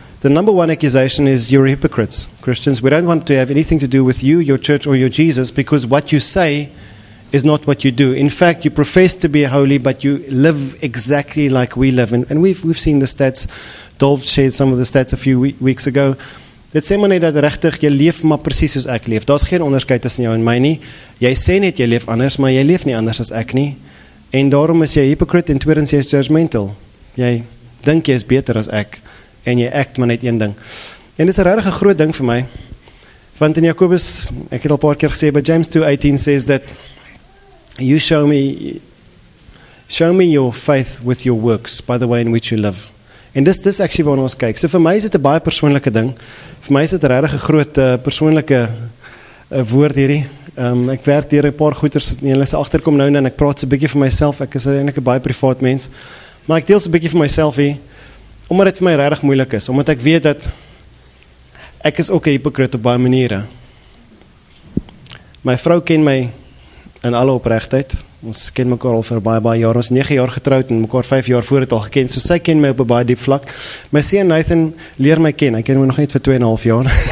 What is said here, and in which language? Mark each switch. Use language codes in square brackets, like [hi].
[en] The number one accusation is, you're hypocrites, Christians. We don't want to have anything to do with you, your church, or your Jesus, because what you say is not what you do. In fact, you profess to be holy, but you live exactly like we live. And we've seen the stats. Dolph shared some of the stats a few weeks ago. [af] Dit sê maar net dat regtig jy leef maar presies soos ek leef. Daar's geen onderskeid tussen jou en my nie. Jy sê net jy leef anders, maar jy leef nie anders as ek nie. En daarom is jy hypocrite en tweedens jy is judgmental. Jy dink jy is beter as ek. En jy act maar net een ding. En dit is regtig 'n groot ding vir my. Want in Jakobus, ek het al paar keer gesê, [en] but James 2:18 says that you show me your faith with your works by the way in which you live. [af] En dis actually waarna ons kyk. So vir my is dit 'n baie persoonlike ding. Vir my is dit regtig 'n groot persoonlike woord hierdie. Ek werk deur 'n paar goeters, hulle is agterkom nou en ek praat so 'n bietjie vir myself. Ek is eintlik 'n baie privaat mens. Maar ek deel so 'n bietjie vir myself hier. Omdat dit vir my regtig moeilik is, omdat ek weet dat ek is ook 'n hypocrite op baie maniere. My vrou ken my in alle opregtheid. Ons ken mekaar al vir baie jaar. Ons 9 jaar getroud en mekaar 5 jaar voor het al geken. So sy ken my op 'n baie diep vlak. My seun Nathan leer my ken. Hy ken my nog net vir 2.5 jaar.